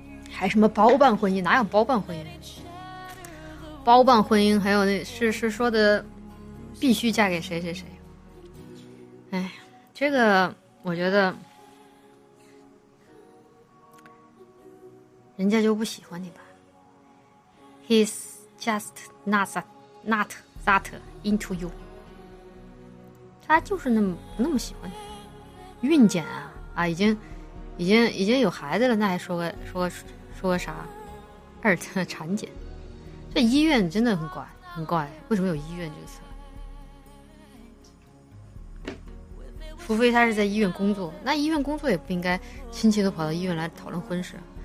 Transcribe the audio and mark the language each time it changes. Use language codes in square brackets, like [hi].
[zh] 还什么包办婚姻？哪有包办婚姻？包办婚姻还有那是说的，必须嫁给谁谁谁。哎，这个我觉得人家就不喜欢你吧。 [en] He's just not that into you， [zh] 他就是那么不那么喜欢你。孕检啊，已经有孩子了，那还说个啥二胎产检。这医院真的很怪，为什么有医院这个词？除非他是在医院工作，那医院工作也不应该亲戚都跑到医院来讨论婚事。